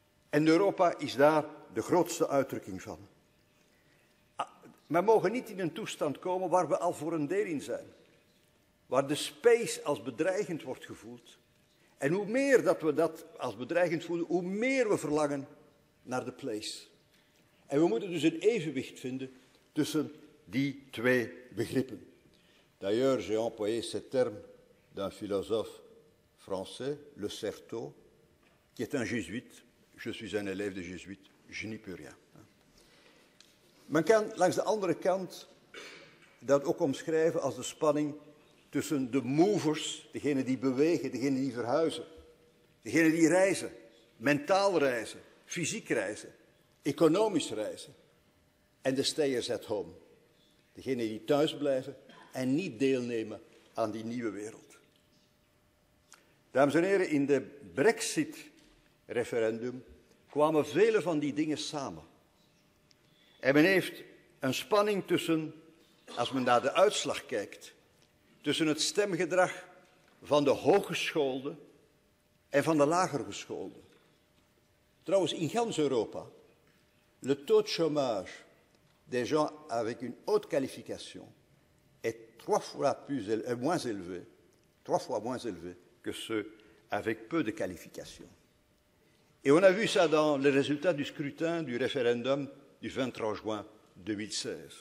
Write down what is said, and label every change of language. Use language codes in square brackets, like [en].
[nl] En Europa is daar de grootste uitdrukking van. We mogen niet in een toestand komen waar we al voor een deel in zijn, waar de space als bedreigend wordt gevoeld. En hoe meer dat we dat als bedreigend voelen, hoe meer we verlangen naar de place. En we moeten dus een evenwicht vinden tussen die twee begrippen. [fr] D'ailleurs, j'ai employé ce terme d'un philosophe français, Le Certeau, qui est un jésuite. Je suis un élève de jésuite, je n'y peux rien. [nl] Men kan langs de andere kant dat ook omschrijven als de spanning tussen de movers, degene die bewegen, degene die verhuizen, degene die reizen, mentaal reizen, fysiek reizen, economisch reizen, en de [en] stayers at home, [nl] degene die thuis blijven en niet deelnemen aan die nieuwe wereld. Dames en heren, in de Brexit-referendum kwamen vele van die dingen samen. En men heeft een spanning tussen, als men naar de uitslag kijkt, tussen het stemgedrag van de hooggeschoolde en van de lagergeschoolde. Trouwens, in gans Europa, [fr] le taux de chômage des gens avec une haute qualification est trois fois plus moins élevé, trois fois moins élevé que ceux avec peu de qualification. Et on a vu ça dans les résultats du scrutin du référendum du 23 juin 2016.